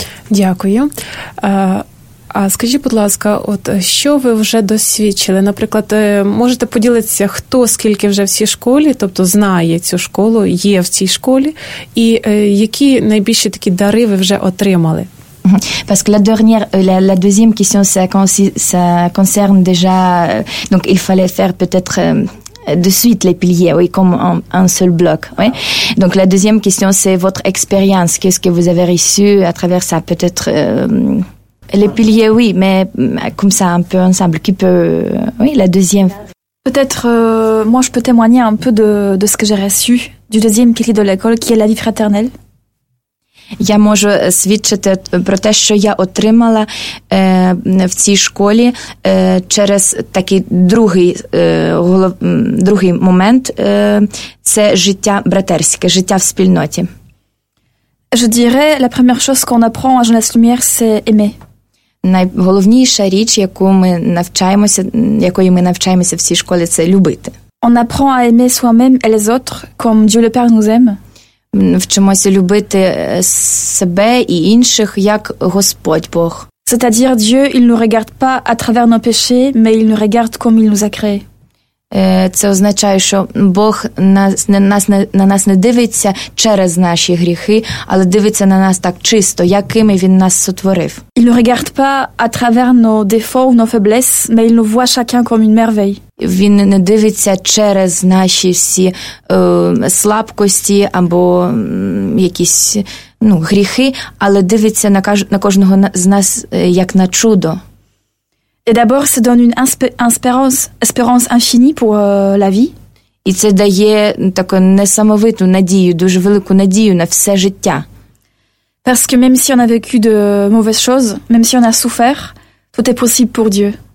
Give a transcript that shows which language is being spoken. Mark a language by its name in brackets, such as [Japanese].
[Ukrainian] Дякую. А скажіть, будь ласка, от що ви вже досвідчили? Наприклад, можете поділитися, хто скільки вже в цій школі, тобто знає цю школу, є в цій школі, і які найбільші такі дари ви вже отримали? [French] Parce que la deuxième question, ça concerne déjà, donc il fallait faire peut-être de suite les piliers, oui, comme un seul bloc. Oui. Donc la deuxième question, c'est votre expérience, qu'est-ce que vous avez reçu à travers ça, peut-être les piliers, oui, mais comme ça, un peu ensemble, qui peut, oui, la deuxième. Peut-être, moi je peux témoigner un peu de ce que j'ai reçu du deuxième pilier de l'école, qui est la vie fraternelle. [Ukrainian] Я можу свідчити про те, що я отримала в цій школі через такий другий момент це життя братерське, життя в спільноті. [French] Je dirais la première chose qu'on apprend à Jeunesse Lumière, c'est aimer. [Ukrainian] Найголовніша річ, якою ми навчаємося в цій школі, це любити. [French] On apprend à aimer soi-même et les autres comme Dieu le Père nous aime. [Ukrainian] Вчимося любити себе і інших, як Господь Бог. [French] C'est-à-dire Dieu, il nous regarde pas à travers nos péchés, mais il nous regarde comme il nous a créés. [Ukrainian] Це означає, що Бог на нас не дивиться через наші гріхи, але дивиться на нас так чисто, якими він нас сотворив. [French] Il nous regarde pas à travers nos défauts ou nos faiblesses, mais il nous voit chacun comme une merveille. [Ukrainian] Він не дивиться через наші всі слабкості або якісь, ну, гріхи, але дивиться на кожного з нас як на чудо. [French] Et d'abord, ça donne une espérance infinie pour la vie. [Ukrainian] І це дає таку несамовиту надію, дуже велику надію на все життя. [French] Parce que même si on a vécu de mauvaises choses, même si on a souffert, tout est possible pour Dieu.